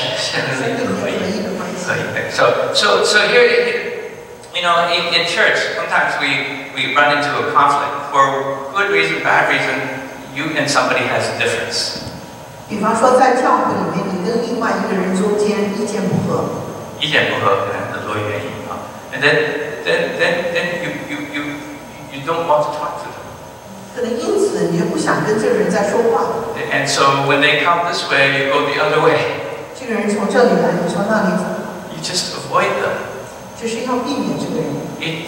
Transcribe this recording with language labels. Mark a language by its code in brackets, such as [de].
[en] So here, you know, in church, sometimes we run into a conflict for good reason, bad reason. You and somebody has a difference. [zh] 比方说，在教会里面，你跟另外一个人中间意见不合。意见不合，很多原因啊。 [en] And then you don't want to talk to them. [zh] 可能因此你就不想跟这个人再说话。 [en] And so when they come this way, you go the other way. [zh] 这个人从这里来，你从那里走。 [en] You just avoid them. [zh] 就是要避免这个人。 [en] It